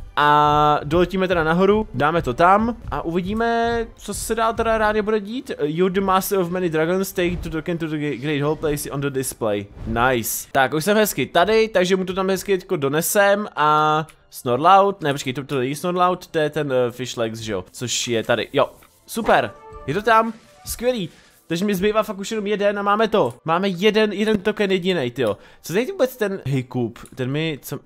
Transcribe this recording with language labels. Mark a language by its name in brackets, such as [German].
[Czech] A doletíme teda nahoru, dáme to tam a uvidíme, co se dál teda rádi bude dít. [English] You're the master of many dragons, take to token to the great hall place on the display. Nice. [Czech] Tak, už jsem hezky tady, takže mu to tam hezky teďko donesem a Snorlout, ne počkej, to není Snorlout, to je ten Fishlex, že jo, což je tady, jo. Super, je to tam, skvělý. Takže mi zbývá fakt už jenom jeden a máme to. Máme jeden token jedinej, tyjo. Co tady vůbec ten hiccup? Ten mi, co?